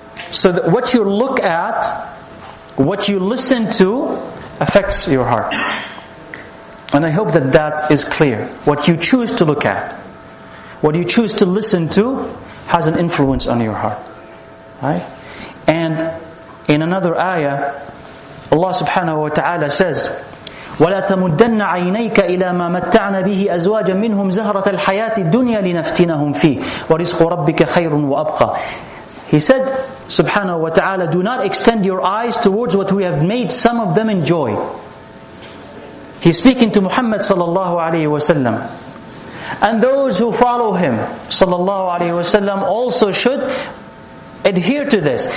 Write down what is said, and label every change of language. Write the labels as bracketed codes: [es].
[en] So that what you look at, what you listen to, affects your heart. And I hope that that is clear. What you choose to look at, what you choose to listen to, has an influence on your heart. Right? And in another ayah, Allah subhanahu wa ta'ala says, [ar] وَلَا تَمُدَّنَّ عَيْنَيْكَ إِلَى مَا مَتَّعْنَ بِهِ أَزْوَاجًا مِّنْهُمْ زَهْرَةَ الْحَيَاةِ الدُّنْيَا لِنَفْتِنَهُمْ فِيهِ وَرِزْقُ رَبِّكَ خَيْرٌ وَأَبْقَى. [en] He said, subhanahu wa ta'ala, do not extend your eyes towards what we have made some of them enjoy. He's speaking to Muhammad sallallahu alayhi wa sallam. And those who follow him, sallallahu alayhi wa sallam, also should adhere to this.